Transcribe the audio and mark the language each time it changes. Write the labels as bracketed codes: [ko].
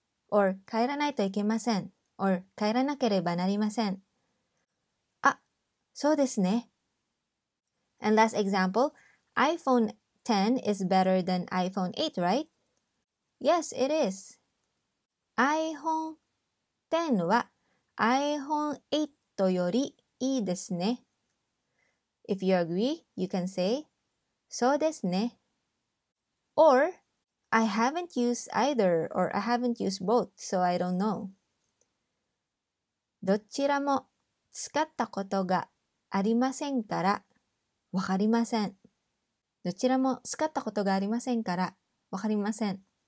[ja] Or, 帰らないといけません.Or, 帰らなければなりません. Ah, so desu ne. [en] And last example, iPhone 10 is better than iPhone 8, right? Yes, it is. [ja] iPhone 10 は iPhone 8 よりいいですね. [en] If you agree, you can say, [ja] そうですね. [en] Or, I haven't used either, or I haven't used both, so I don't know. [ja] どちらも使ったことがありませんから、わかりません. どちらも使ったことがありませんから、わかりません.